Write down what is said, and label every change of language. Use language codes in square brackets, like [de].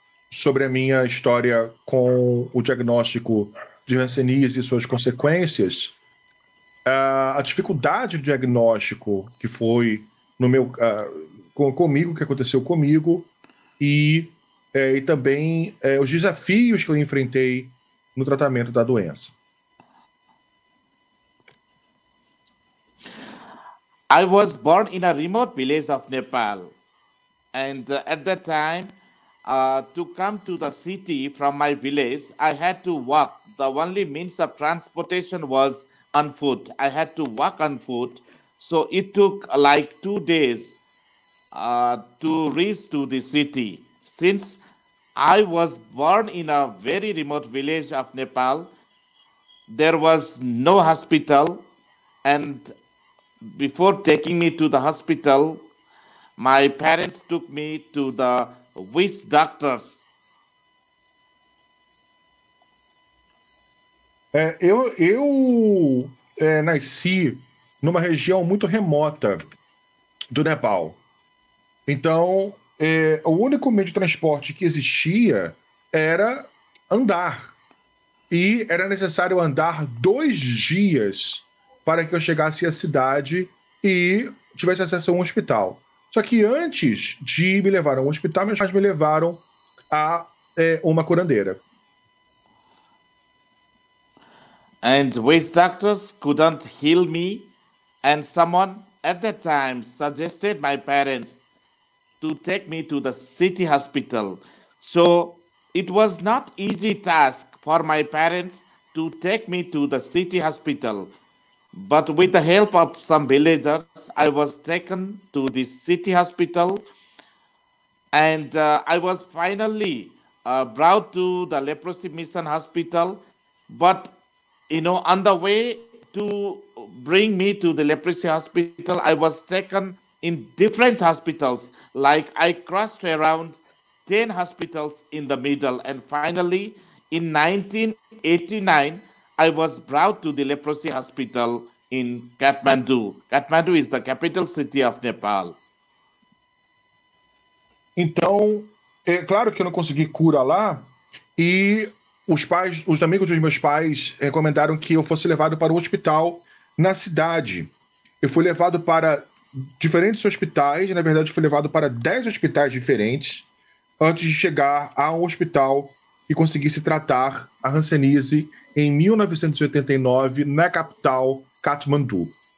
[pt] Sobre a minha história com o diagnóstico de hanseníase e suas consequências, a dificuldade do diagnóstico que foi no meu, comigo, que aconteceu comigo, e também os desafios que eu enfrentei no tratamento da doença. [en] I was born in a remote village of Nepal, and at that time, to come to the city from my village, I had to walk. The only means of transportation was on foot. I had to walk on foot. So it took like 2 days to reach to the city. Since I was born in a very remote village of Nepal, there was no hospital. And before taking me to the hospital, my parents took me to the witch doctors. [pt] Eu nasci numa região muito remota do Nepal. Então, o único meio de transporte que existia era andar. E era necessário andar 2 dias para que eu chegasse à cidade e tivesse acesso a um hospital. Só que antes de me levar a um hospital, meus pais me levaram a uma curandeira. [en] And witch doctors couldn't heal me, and someone at that time suggested my parents to take me to the city hospital. So it was not easy task for my parents to take me to the city hospital. But with the help of some villagers, I was taken to the city hospital, and I was finally brought to the leprosy mission hospital, but you know, on the way to bring me to the leprosy hospital, I was taken in different hospitals. Like I crossed around 10 hospitals in the middle, and finally in 1989 I was brought to the leprosy hospital in Kathmandu. Kathmandu is the capital city of Nepal. [pt] Então, é claro que eu não consegui cura lá, e os pais, os amigos dos meus pais recomendaram que eu fosse levado para o hospital na cidade. Eu fui levado para diferentes hospitais, na verdade fui levado para 10 hospitais diferentes, antes de chegar a um hospital e conseguir se tratar a hanseníase em 1989 na capital Kathmandu.